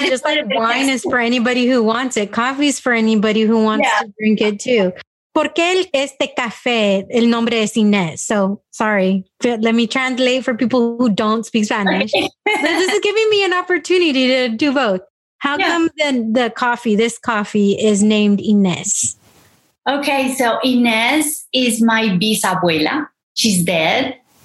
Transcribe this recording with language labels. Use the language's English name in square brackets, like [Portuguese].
[English] Is, that just like wine is for anybody who wants it. Coffee is for anybody who wants to drink it too. [Spanish] ¿Por qué este café, el nombre es Inés? [English] So, sorry, let me translate for people who don't speak Spanish. Okay. This is giving me an opportunity to do both. How come the coffee, this coffee, is named Inés? Okay, so Inés is my bisabuela. She's dead.